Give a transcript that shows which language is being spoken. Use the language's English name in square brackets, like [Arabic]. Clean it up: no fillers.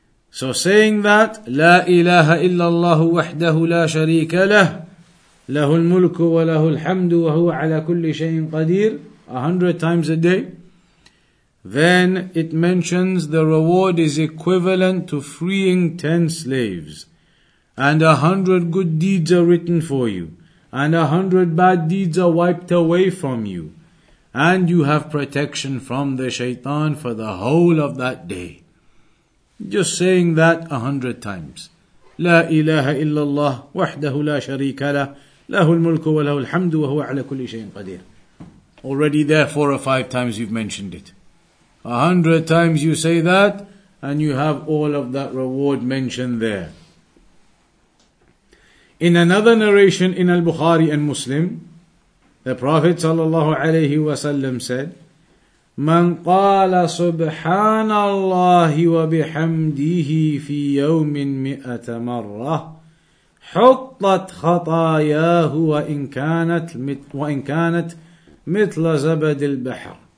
[English] So saying that, [Arabic] لا إله إلا الله وحده لا شريك له له الملك وله الحمد وهو على كل شيء قدير [English] 100 times a day, then it mentions the reward is equivalent to freeing 10 slaves. And 100 good deeds are written for you. And 100 bad deeds are wiped away from you. And you have protection from the shaitan for the whole of that day. Just saying that 100 times. [Arabic] لا إله إلا الله وحده لا شريك له له الملك وله الحمد وهو على كل شيء قدير. [English] Already there 4 or 5 times you've mentioned it. 100 times you say that and you have all of that reward mentioned there. In another narration in Al-Bukhari and Muslim, the Prophet sallallahu alayhi wa sallam said, [Arabic] مَنْ قَالَ سُبْحَانَ اللَّهِ وَبِحَمْدِهِ فِي يَوْمٍ 100 مَرَّةٍ حُطَّتْ خَطَايَاهُ وَإِنْ كَانَتْ مِثْلَ زَبَدِ الْبَحْرِ.